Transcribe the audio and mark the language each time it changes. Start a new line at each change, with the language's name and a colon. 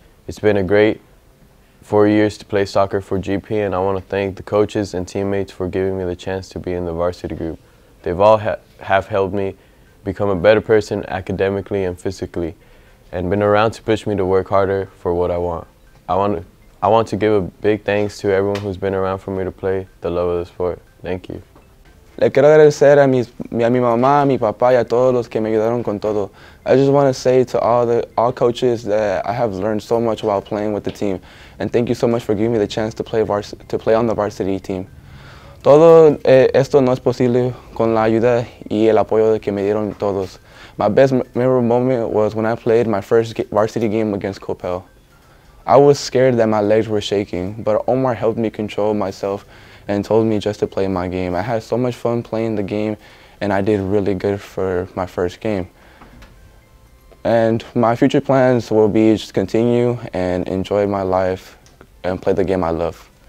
English: It's been a great 4 years to play soccer for GP, and I want to thank the coaches and teammates for giving me the chance to be in the varsity group. They've all have helped me become a better person academically and physically and been around to push me to work harder for what I want. I want to give a big thanks to everyone who's been around for me to play the love of the sport. Thank you.
Spanish: Le quiero agradecer a mi mamá, a mi papá y a todos los que me ayudaron con todo.
English: I just want to say to all coaches that I have learned so much while playing with the team, and thank you so much for giving me the chance to play on the varsity team.
Spanish: Todo esto no es posible con la ayuda y el apoyo que me dieron todos.
English: My best memorable moment was when I played my first varsity game against Coppell. I was scared that my legs were shaking, but Omar helped me control myself and told me just to play my game. I had so much fun playing the game, and I did really good for my first game. And my future plans will be just continue and enjoy my life and play the game I love.